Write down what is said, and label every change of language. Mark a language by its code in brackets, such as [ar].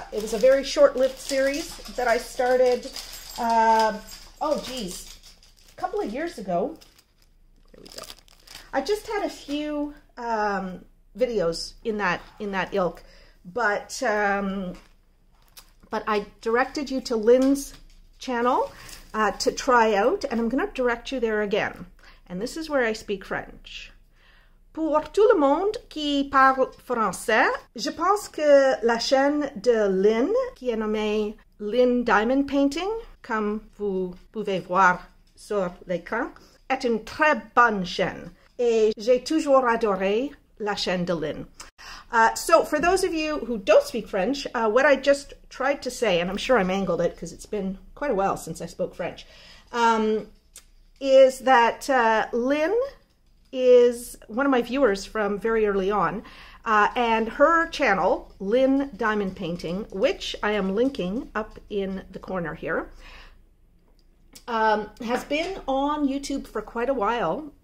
[en] It was a very short-lived series that I started, a couple of years ago. There we go. I just had a few videos in that ilk, but I directed you to Lynn's channel to try out, and I'm going to direct you there again. And this is where I speak French. [fr] Pour tout le monde qui parle français, je pense que la chaîne de Lynn, qui est nommée Lynn Diamond Painting, comme vous pouvez voir sur l'écran, est une très bonne chaîne. Et j'ai toujours adoré la chaîne de Lynn. [en] So for those of you who don't speak French, what I just tried to say, and I'm sure I mangled it because it's been quite a while since I spoke French, is that Lynn is one of my viewers from very early on, and her channel, Lynn Diamond Painting, which I am linking up in the corner here, has been on YouTube for quite a while.